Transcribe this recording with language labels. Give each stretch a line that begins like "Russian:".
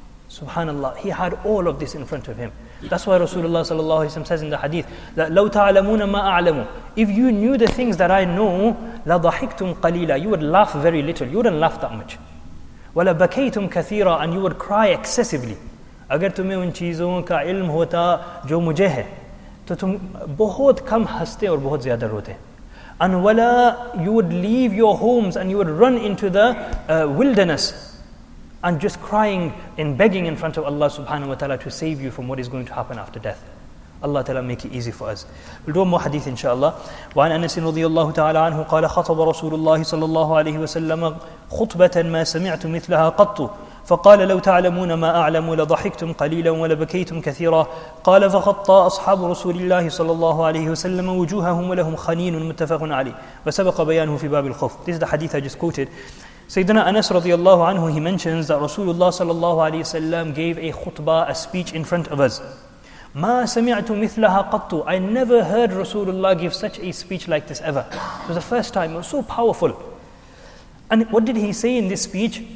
English: Subhanallah, he had all of this in front of him. That's why Rasulullah sallallahu alaihi wasallam says in the hadith that
Arabic: لَوْ تَعْلَمُونَ مَا أَعْلَمُ,
English: if you knew the things that I know,
Arabic: لَضَحِكْتُمْ قَلِيلًا,
English: you would laugh very little, you wouldn't laugh that much.
Arabic: وَلَبَكَيْتُمْ كَثِيرًا,
English: and you would cry excessively.
Urdu: اگر تمہیں ان چیزوں کا علم ہوتا جو مجھے ہے تو تم بہت کم ہستے اور بہت زیادہ روتے.
English: And wala, you would leave your homes and you would run into the wilderness and just crying and begging in front of Allah subhanahu wa ta'ala to save you from what is going to happen after death. Allah ta'ala make it easy for us. We'll do one more hadith inshaAllah.
Arabic: وَعَنْ أَنَسٍ رَضِيَ اللَّهُ تَعَالَىٰ عَنْهُ قَالَ خَطَبَ رَسُولُ اللَّهِ صَلَى اللَّهُ عَلَيْهِ وَسَلَّمَ خُطْبَةً مَا سَمِعْتُ مِثْلَهَا قَطُّ فقال لو تعلمون ما أعلم لضحكتم قليلا ولبكيتم كثيرا قال فخط أصحاب رسول الله صلى الله عليه وسلم وجوههم ولهم خنين متفق عليه وسبق بيانه في باب الخوف.
English: This is the hadith I just quoted. Sayyidina Anas radiyallahu anhu, he mentions that Rasulullah sallallahu alayhi wasallam gave a khutbah, a speech in front of us.
Arabic: ما سمعت مثلها قط,
English: I never heard Rasulullah give such a speech like this ever. It was the first time, it was so powerful. And what did he say in this speech?